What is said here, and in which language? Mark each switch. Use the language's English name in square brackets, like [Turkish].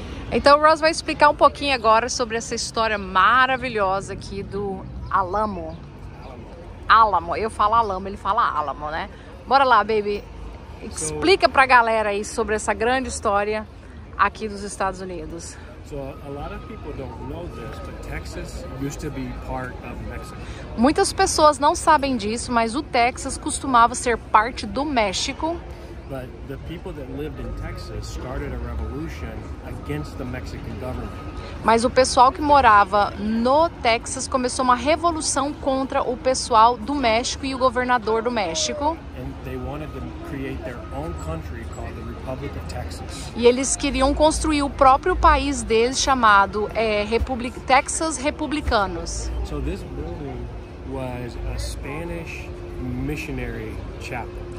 [Portuguese] Então o Ross vai explicar um pouquinho agora sobre essa história maravilhosa aqui do Alamo. Alamo, eu falo Alamo, ele fala Alamo, né? Bora lá, baby. Explica pra galera aí sobre essa grande história aqui dos Estados Unidos. [English] So, a lot of people don't know this, but Texas used to be part of Mexico. [Portuguese] Muitas pessoas não sabem disso, mas o Texas costumava ser parte do México. [English] But the people that lived in Texas started a revolution against the Mexican government. [Portuguese] Mas o pessoal que morava no Texas começou uma revolução contra o pessoal do México e o governador do México. [English] And they wanted to create their own country called the Republic of Texas. [Portuguese] E eles queriam construir o próprio país deles chamado Texas Republicanos. [English] So this building was a Spanish missionary chapel.